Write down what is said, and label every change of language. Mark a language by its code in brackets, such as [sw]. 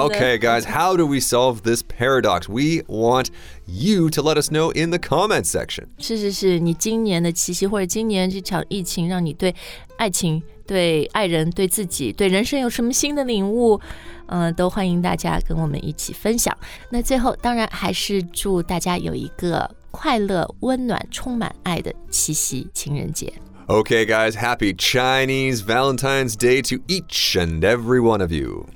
[en] Okay, guys, how do we solve this paradox? We want you to let us know in the comment section. [zh] 是是是，你今年的七夕或者今年这场疫情让你对爱情、对爱人、对自己、对人生有什么新的领悟？都欢迎大家跟我们一起分享。那最后，当然还是祝大家有一个快乐、温暖、充满爱的七夕情人节。 [en] Okay, guys, happy Chinese Valentine's Day to each and every one of you.